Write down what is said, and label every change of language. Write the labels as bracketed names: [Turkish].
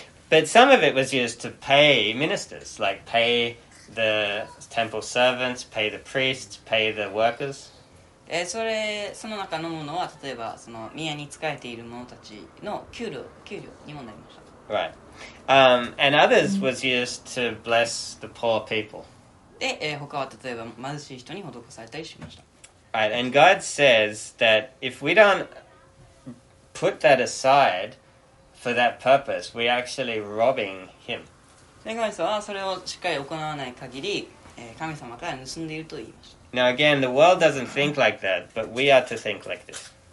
[English] But some of it was used to pay ministers, like pay the temple servants, pay the priests, pay the workers. [Japanese] それその中のものは例えばその宮に仕えている者たちの給料にもなりました。 [English] Right. And others was used to bless the poor people. [Japanese] で、他は例えば貧しい人に施されたりしました。 [English] Right. And God says that if we don't put that aside for that purpose, we're actually robbing Him. [Japanese] 神様はそれをしっかり行わない限り、神様から盗んでいると言いました。 [English] Now again, the world doesn't think like that, but we are to think like this.